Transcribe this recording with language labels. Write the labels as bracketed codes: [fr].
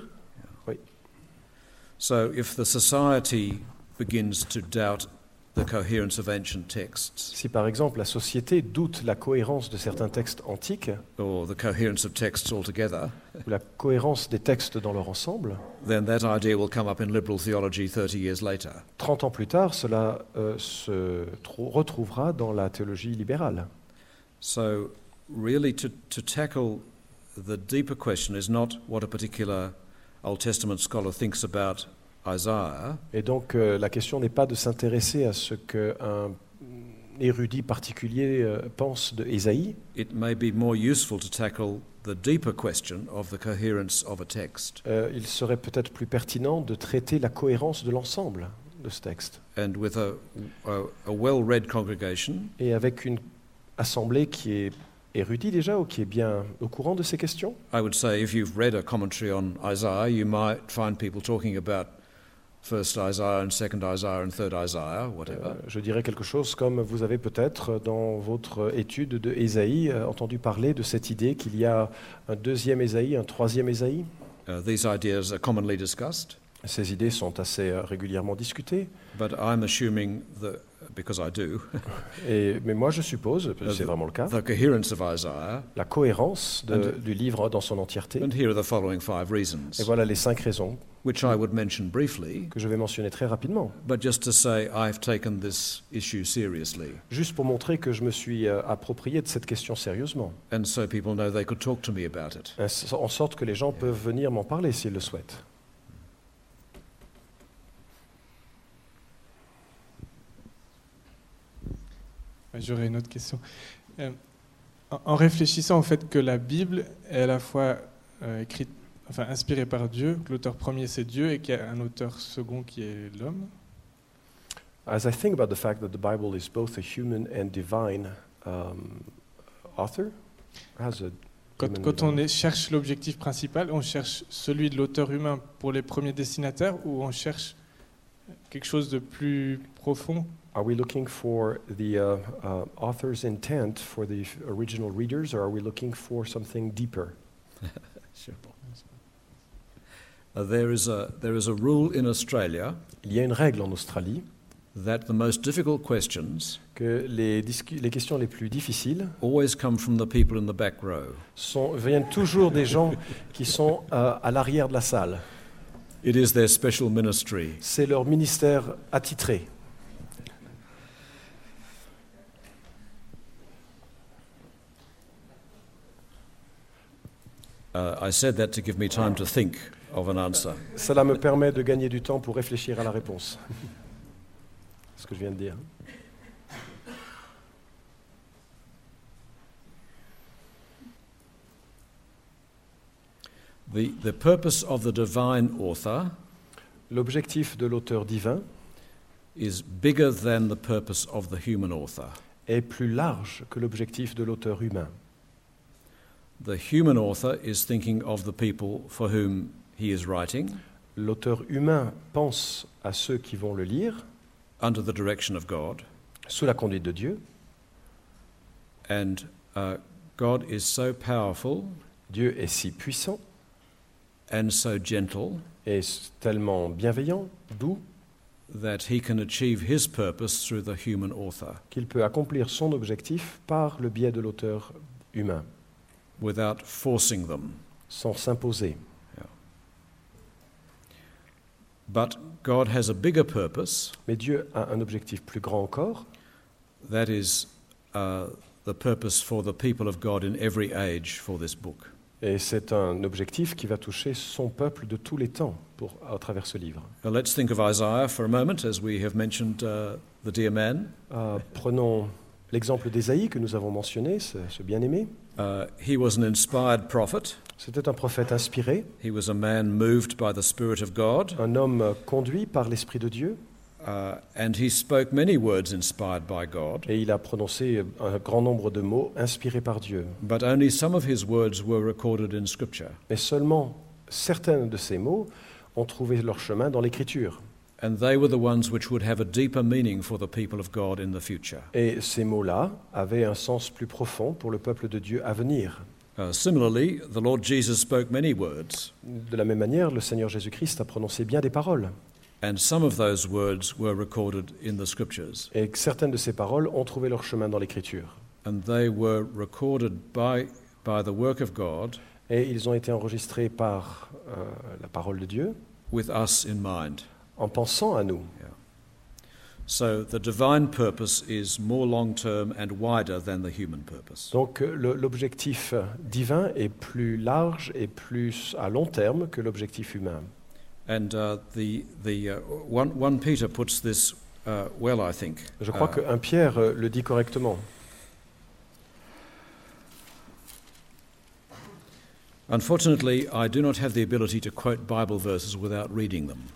[en] Yeah. [fr] Oui. [en] So if the society begins to doubt the coherence of ancient texts. [fr] Si par exemple la société doute la cohérence de certains textes antiques, [en] or the coherence of texts altogether, [fr] ou la cohérence des textes dans leur ensemble, [en] then that idea will come up in liberal theology 30 years later. [fr] 30 ans plus tard, cela se retrouvera dans la théologie libérale. [en] So really to tackle the deeper question is not what a particular Old Testament scholar thinks about Isaiah. [fr] Et donc la question n'est pas de s'intéresser à ce qu'un érudit particulier pense de Ésaïe. [en] It may be more useful to tackle the deeper question of the coherence of a text. [fr] Il serait peut-être plus pertinent de traiter la cohérence de l'ensemble de ce texte. [en] And with a well-read congregation. [fr] Et avec une assemblée qui est érudit déjà ou qui est bien au courant de ces questions? [en] I would say if you've read a commentary on Isaiah, you might find people talking about first Isaiah and second Isaiah and third Isaiah, whatever. [fr] Je dirais quelque chose comme vous avez peut-être dans votre étude de Ésaïe entendu parler de cette idée qu'il y a un deuxième Ésaïe, un troisième Ésaïe. [en] These ideas are commonly discussed. [fr] Ces idées sont assez régulièrement discutées. [en] But I'm assuming that because I do. [fr] Mais moi je suppose, parce que c'est vraiment le cas. [en] The coherence of Isaiah, [fr] la cohérence du livre dans son entièreté. [en] And here are the following five reasons. [fr] Et voilà les cinq raisons. [en] Which I would mention briefly, [fr] que je vais mentionner très rapidement. [en] But just to say I've taken this issue seriously. [fr] Juste pour montrer que je me suis approprié de cette question sérieusement. [en] And so people know they could talk to me about it. [fr] En sorte que les gens peuvent venir m'en parler s'ils le souhaitent. J'aurais une autre question. En réfléchissant au fait que la Bible est à la fois écrite, enfin inspirée par Dieu, que l'auteur premier c'est Dieu et qu'il y a un auteur second qui est l'homme. [en] As I think about the fact that the Bible is both a human and divine author, has a [fr] quand on cherche l'objectif principal, on cherche celui de l'auteur humain pour les premiers destinataires ou on cherche quelque chose de plus profond? [en] Are we looking for the author's intent for the original readers, or are we looking for something deeper? There is a rule in Australia. [fr] Il y a une règle en Australie. [en] That the most difficult questions. [fr] Que les questions les plus difficiles. [en] Always come from the people in the back row. [fr] Viennent toujours des gens qui sont à l'arrière de la salle. [en] It is their special ministry. [fr] C'est leur ministère attitré. [en] I said that to give me time to think of an answer. [fr] Cela me permet de gagner du temps pour réfléchir à la réponse. C'est ce que je viens de dire. [en] The purpose of the divine author. [fr] L'objectif de l'auteur divin. [en] Is bigger than the purpose of the human author. [fr] Est plus large que l'objectif de l'auteur humain. [en] The human author is thinking of the people for whom he is writing. [fr] L'auteur humain pense à ceux qui vont le lire. [en] Under the direction of God. [fr] Sous la conduite de Dieu. [en] And God is so powerful. [fr] Dieu est si puissant. [en] And so gentle. [fr] Et tellement bienveillant, doux. [en] That he can achieve his purpose through the human author. [fr] Qu'il peut accomplir son objectif par le biais de l'auteur humain. [en] Without forcing them. [fr] Sans s'imposer. [en] Yeah. But God has a bigger purpose. [fr] Mais Dieu a un objectif plus grand encore. [en] That is the purpose for the people of God in every age for this book. [fr] Et c'est un objectif qui va toucher son peuple de tous les temps à travers ce livre. [en] Now let's think of Isaiah for a moment, as we have mentioned the dear man. [fr] Prenons l'exemple d'Ésaïe que nous avons mentionné, ce bien-aimé. [en] He was an inspired prophet. [fr] C'était un prophète inspiré. [en] He was a man moved by the Spirit of God. [fr] Un homme conduit par l'Esprit de Dieu. [en] And he spoke many words inspired by God. [fr] Et il a prononcé un grand nombre de mots inspirés par Dieu. [en] But only some of his words were recorded in Scripture. [fr] Mais seulement certains de ces mots ont trouvé leur chemin dans l'Écriture. [en] And they were the ones which would have a deeper meaning for the people of God in the future. [fr] Et ces mots-là avaient un sens plus profond pour le peuple de Dieu à venir. [en] Similarly, the Lord Jesus spoke many words. [fr] De la même manière, le Seigneur Jésus-Christ a prononcé bien des paroles. [en] And some of those words were recorded in the scriptures. [fr] Et certaines de ces paroles ont trouvé leur chemin dans l'écriture. [en] And they were recorded by the work of God. [fr] Et ils ont été enregistrés par la parole de Dieu. [en] With us in mind. [fr] En pensant à nous. [en] Yeah. So the divine purpose is more long-term and wider than the human purpose. [fr] Donc l'objectif divin est plus large et plus à long terme que l'objectif humain. [en] And the one Peter puts this well, I think. [fr] Je crois que 1 Pierre le dit correctement. [en] Unfortunately, I do not have the ability to quote Bible verses without reading them.